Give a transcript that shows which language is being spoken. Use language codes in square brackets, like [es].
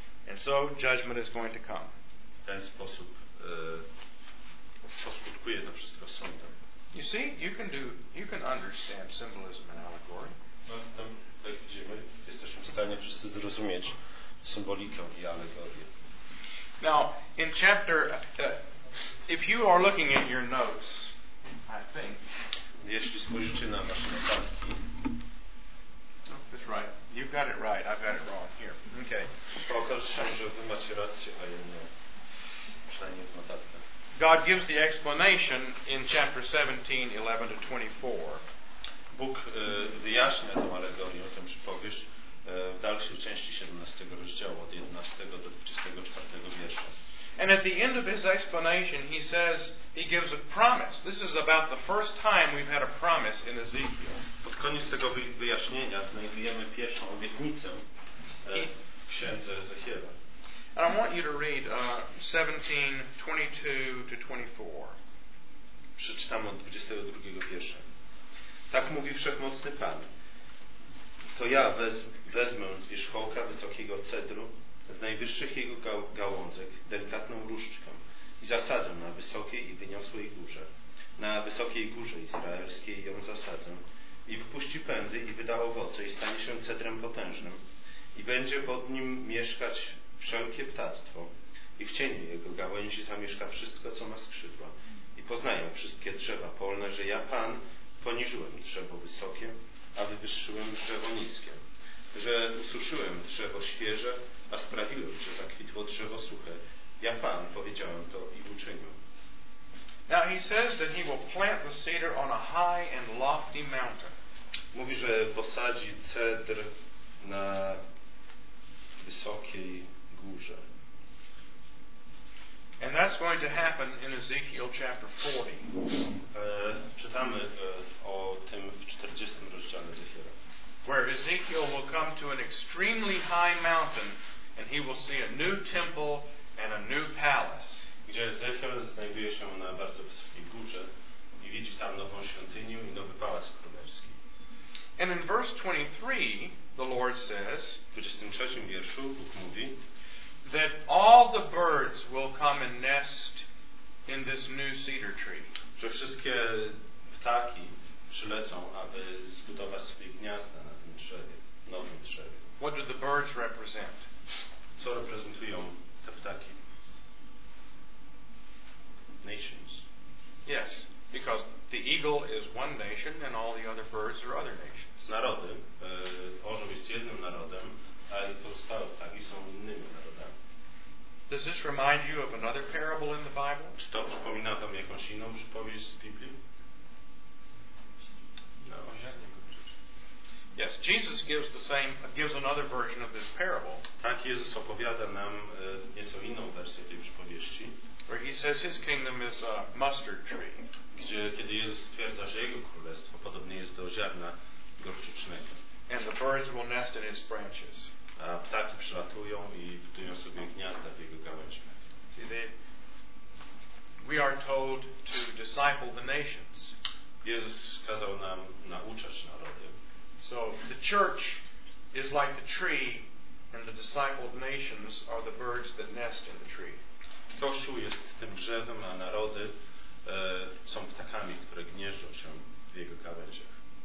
[en] And so judgment is going to come. [pl] W ten sposób poskutkuje to wszystko sądem. [en] You see, you can understand symbolism and allegory. [pl] Tak widzimy, jesteśmy w stanie wszyscy zrozumieć symbolikę i alegorię. [en] Now, in chapter... If you are looking at your notes, I think. [pl] Jeśli spojrzycie na wasze notatki. [en] That's right. You've got it right. I've got it wrong here. Okay. [pl] Okaże się, że wy macie rację, a ja nie. Przynajmniej w notatkach. [en] God gives the explanation in chapter 17:11-24. [pl] Bóg wyjaśnia tę alegorię, o tym przypowiesz, w dalszej części 17 rozdziału, od 11 do 24 wiersza. [en] And at the end of his explanation, he says, he gives a promise. This is about the first time we've had a promise in Ezekiel. [pl] Pod koniec tego wyjaśnienia znajdujemy pierwszą obietnicę księdze Ezechiela. [en] And I want you to read 17:22-24. [pl] Przeczytam od 22 wiersza. Tak mówi Wszechmocny Pan. to ja wezmę z wierzchołka wysokiego cedru, z najwyższych jego gałązek, delikatną różdżkę i zasadzę na wysokiej i wyniosłej górze. Na wysokiej górze izraelskiej ją zasadzę i wypuści pędy i wyda owoce i stanie się cedrem potężnym i będzie pod nim mieszkać wszelkie ptactwo i w cieniu jego gałęzi zamieszka wszystko, co ma skrzydła i poznają wszystkie drzewa polne, że ja, Pan, poniżyłem drzewo wysokie, a wywyższyłem drzewo niskie, że ususzyłem drzewo świeże, a sprawiłem, że zakwitło drzewo suche. Ja, Pan, powiedziałem to i uczynił. [en] Now he says that he will plant the cedar on a high and lofty mountain. [pl] Mówi, że posadzi cedr na wysokiej górze. [en] And that's going to happen in Ezekiel chapter 40. [pl] Czytamy o tym w 40. rozdziale Ezechiela. [en] Where Ezekiel will come to an extremely high mountain and he will see a new temple and a new palace. [pl] Gdzie Ezechiel znajduje się na bardzo wysokiej górze i widzi tam nową świątynię i nowy pałac królewski. [en] And in verse 23 the Lord says, [pl] w 23. wierszu Bóg mówi, [en] that all the birds will come and nest in this new cedar tree. [pl] Że wszystkie ptaki przylecą, aby zbudować swoje gniazda na tym drzewie, nowym drzewie. [en] What do the birds represent? [pl] Co reprezentują te ptaki? [en] Nations. Yes, because the eagle is one nation and all the other birds are other nations. [pl] Narody. Orzeł jest jednym narodem, a pozostałe ptaki są innymi narodami. [en] Does this remind you of another parable in the Bible? [pl] Czy to przypomina wam jakąś inną przypowieść z Biblii? No, ja nie wiem. [en] Yes, Jesus gives the same, gives another version of this parable. [pl] Tak, Jezus opowiada nam nieco inną wersję tej przypowieści. [en] Where he says his kingdom is a mustard tree. [pl] Gdzie kiedy Jezus stwierdza, że jego królestwo podobne jest do ziarna gorczycznego. [en] And the birds will nest in its branches. [pl] A ptaki przylatują i budują sobie gniazda w jego gałęziach. [en] We are told to disciple the nations. [pl] Jezus kazał nam nauczać narody. [en] So the church is like the tree and the discipled nations are the birds that nest in the tree. [pl] Kościół jest tym drzewem, a narody są ptakami, które gnieżdżą się w jego gałęziach.